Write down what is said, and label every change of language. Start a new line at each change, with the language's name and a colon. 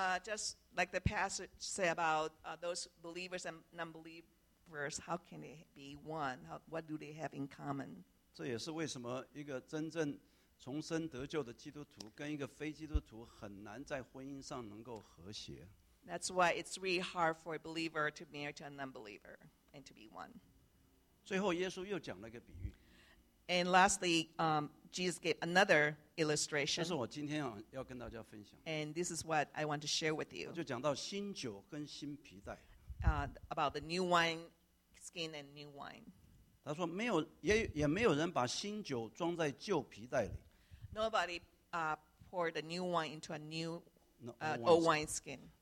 English: Just like the passage say about those believers and non-believers, how can they be one? What do they have in common?
Chinese: 这也是为什么一个真正 重生得救的基督徒跟一个非基督徒很难在婚姻上能够和谐。
English: That's why it's really hard for a believer to marry to an unbeliever and to be one.
Chinese: 最后耶稣又讲了一个比喻。
English: And lastly, Jesus gave another illustration.
Chinese: 这是我今天要跟大家分享。
English: And this is what I want to share with you.
Chinese: 就讲到新酒跟新皮带。
English: About the new wine skin and new wine.
Chinese: 他说没有，也没有人把新酒装在旧皮带里。
English: Nobody poured the new wine into a new old wineskin.